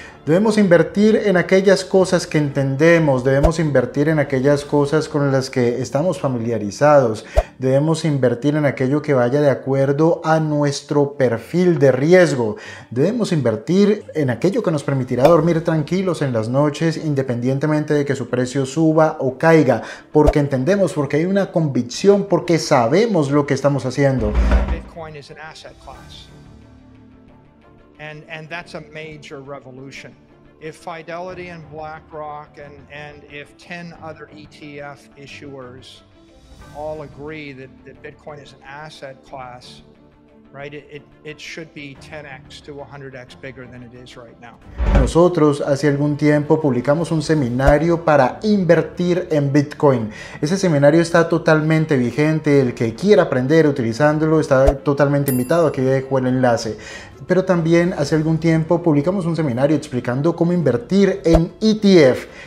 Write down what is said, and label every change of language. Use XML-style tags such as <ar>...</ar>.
<es>Debemos invertir en aquellas cosas que entendemos, debemos invertir en aquellas cosas con las que estamos familiarizados, debemos invertir en aquello que vaya de acuerdo a nuestro perfil de riesgo, debemos invertir en aquello que nos permitirá dormir tranquilos en las noches independientemente de que su precio suba o caiga, porque entendemos, porque hay una convicción, porque sabemos lo que estamos haciendo. Bitcoin es un asset class.</es> <en>And that's a major revolution. If Fidelity and BlackRock and if 10 other ETF issuers all agree that Bitcoin is an asset class, right? It should be 10x to 100x bigger than it is right now.</en> <es>Nosotros hace algún tiempo publicamos un seminario para invertir en Bitcoin. Ese seminario está totalmente vigente. El que quiera aprender utilizándolo está totalmente invitado. Aquí dejo el enlace. Pero también hace algún tiempo publicamos un seminario explicando cómo invertir en ETF.</es>